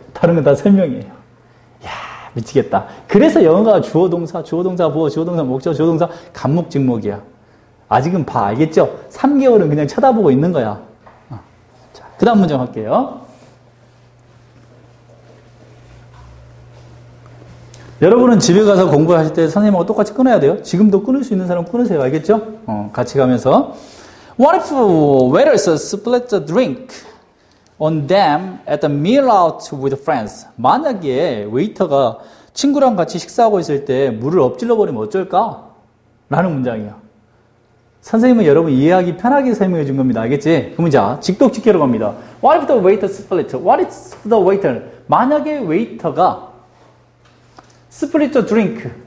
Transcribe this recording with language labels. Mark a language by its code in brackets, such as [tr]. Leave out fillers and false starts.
[ko] 다른 건다 설명이에요. 야, 미치겠다. 그래서 영어가 주어 동사, 주어 동사 보어, 주어 동사 목적어, 주어 동사 감목 직목이야. 아직은 봐. 알겠죠? 3개월은 그냥 쳐다보고 있는 거야. 자, 그 다음 문장 할게요. 여러분은 집에 가서 공부하실 때 선생님하고 똑같이 끊어야 돼요. 지금도 끊을 수 있는 사람 끊으세요. 알겠죠? 같이 가면서. [en] What if waiters split the drink on them at the meal out with friends? [ko] 만약에 웨이터가 친구랑 같이 식사하고 있을 때 물을 엎질러 버리면 어쩔까? 라는 문장이야. 선생님은 여러분 이해하기 편하게 설명해 준 겁니다. 알겠지? 그럼 이제 직독직계로 갑니다. [en] What if the waiter split? What if the waiter? [ko] 만약에 웨이터가 [en] Split the drink.